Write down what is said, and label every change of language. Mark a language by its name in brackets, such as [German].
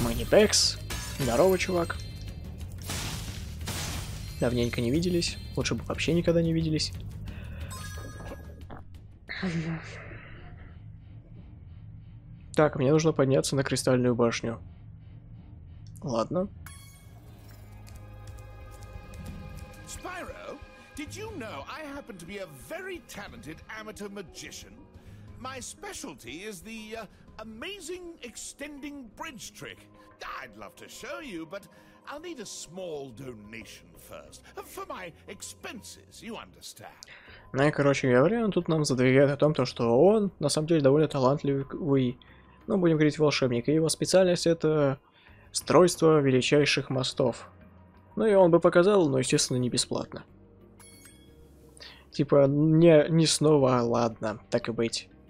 [Russian] Бэкс, здорово, чувак. Давненько не виделись. Лучше бы вообще никогда не виделись. Так, мне нужно подняться на кристальную башню. Ладно. [English] Spyro, did you know I happen to be a very talented amateur magician? My specialty is the amazing extending bridge trick. I'd love to show you, but I'll need a small donation first. For my expenses, you understand. [Russian] Ну и, короче говоря, он тут нам задвигает о том, то, что он на самом деле довольно талантливый, ну будем говорить, волшебник. И его специальность это строительство величайших мостов. Ну и он бы показал, но, естественно, не бесплатно. Типа, не снова, ладно, так и быть.